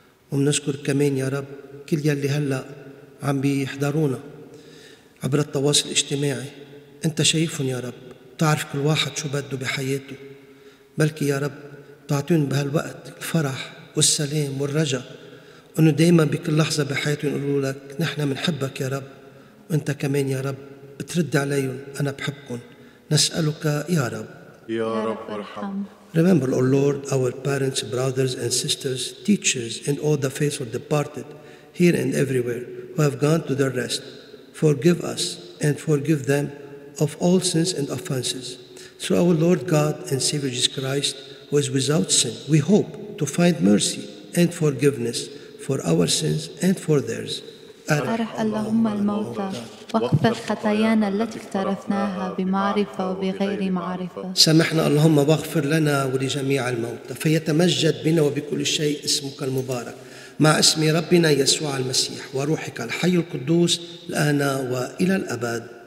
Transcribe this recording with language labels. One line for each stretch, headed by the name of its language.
Arabic: ومنذكر كمان يا رب كل يلي هلأ عم بيحضرونا عبر التواصل الاجتماعي أنت شايفهم يا رب تعرف كل واحد شو بده بحياته بلكي يا رب تعطيهم بهالوقت الفرح والسلام والرجاء أنه دايما بكل لحظة بحياته يقولوا لك نحن منحبك يا رب وأنت كمان يا رب بترد عليهم أنا بحبكم نسألك يا رب يا رب ارحم
English: Remember, O Lord, our parents, brothers and sisters, teachers, and all the faithful departed here and everywhere who have gone to their rest. Forgive us and forgive them of all sins and offenses. Through our Lord God and Savior Jesus Christ, who is without sin, we hope to find mercy and forgiveness for our sins and for theirs.
Arabic: أرح اللهم الموتى واغفر خطايانا التي اقترفناها بمعرفة وبغير معرفة سمحنا اللهم واغفر لنا ولجميع الموتى فيتمجد بنا وبكل شيء اسمك المبارك مع اسم ربنا يسوع المسيح وروحك الحي القدوس الآن وإلى الأبد